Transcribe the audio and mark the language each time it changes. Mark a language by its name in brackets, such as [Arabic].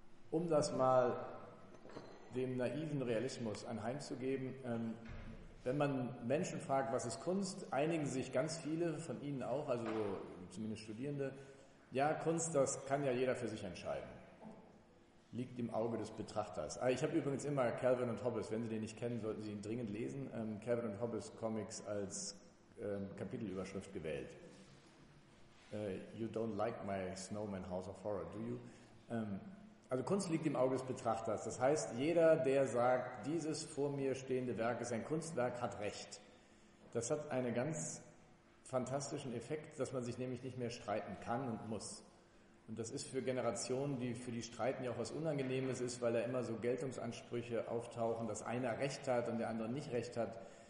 [German] Um das mal dem naiven Realismus anheimzugeben, wenn man Menschen fragt, was ist Kunst, einigen sich ganz viele von Ihnen auch, also zumindest Studierende, ja, Kunst, das kann ja jeder für sich entscheiden. Liegt im Auge des Betrachters. Ich habe übrigens immer Calvin und Hobbes, wenn Sie den nicht kennen, sollten Sie ihn dringend lesen, Calvin und Hobbes Comics als Kapitelüberschrift gewählt. [English] You don't like my snowman house of horror, do you? [German] Also Kunst liegt im Auge des Betrachters. Das heißt, jeder, der sagt, dieses vor mir stehende Werk ist ein Kunstwerk, hat Recht. Das hat eine ganz fantastischen Effekt, dass man sich nämlich nicht mehr streiten kann und muss. Und das ist für Generationen, die für die streiten ja auch was Unangenehmes ist, weil da immer so Geltungsansprüche auftauchen, dass einer Recht hat und der andere nicht Recht hat.